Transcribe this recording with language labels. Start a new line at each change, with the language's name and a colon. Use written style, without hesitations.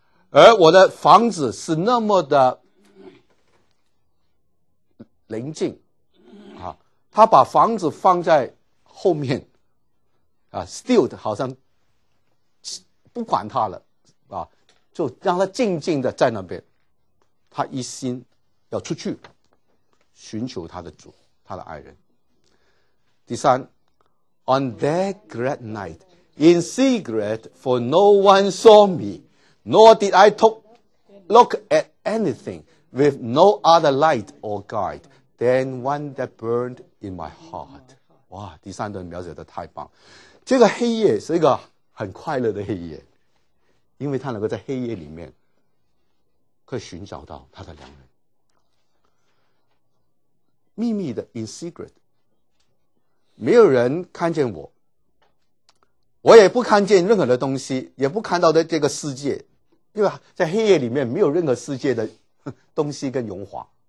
Chinese: 而我的房子是那么的宁静、啊、他把房子放在后面、啊、stilled 好像不管他了、啊、就让他静静的在那边，他一心要出去寻求他的主，他的爱人。第三，
English: On that great night, in secret, for no one saw me, nor did I look at anything with no other light or guide than one that burned in my heart.
Chinese: 哇，第三段描写的太棒。这个黑夜是一个很快乐的黑夜，因为他能够在黑夜里面可以寻找到他的良人。秘密的
English: in secret，
Chinese: 没有人看见我，我也不看见任何的东西，也不看到的这个世界，因为在黑夜里面没有任何世界的东西跟荣华。